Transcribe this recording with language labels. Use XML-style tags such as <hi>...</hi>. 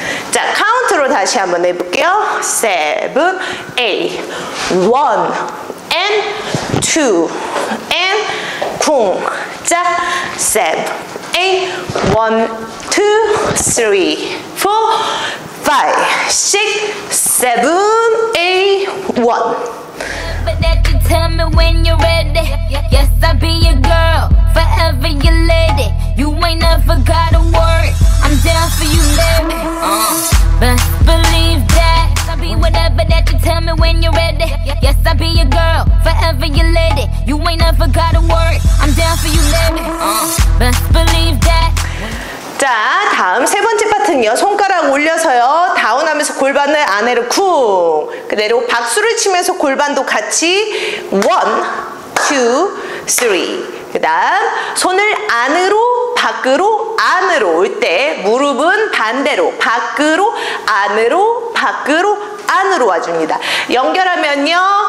<ko>자, 카운트로 다시 한번 해볼게요.</ko> <en>세븐, 에잇, 원, 앤, 투, 앤, 쿵. 자, 세븐, 에잇, 원, 투, 쓰리, 포, 파이, 식, 세븐, 에잇, 원. Tell me when you're ready. Yes, I'll be your girl. Forever your lady. You ain't never gotta worry. I'm down for you, baby. Best believe that. I'll be whatever that you tell me when you're ready. Yes, I'll be your girl. Forever your lady. You ain't never gotta worry. I'm down for you, baby. Best believe that.</en> <ko>자, 다음 세 번째 파트는요. 손가락 올려서요. 다운하면서 골반을 안으로 쿵. 그대로 박수를 치면서 골반도 같이 원, 투, 쓰리. 그 다음 손을 안으로, 밖으로, 안으로 올 때 무릎은 반대로 밖으로, 안으로, 밖으로, 안으로 와줍니다. 연결하면요.</ko>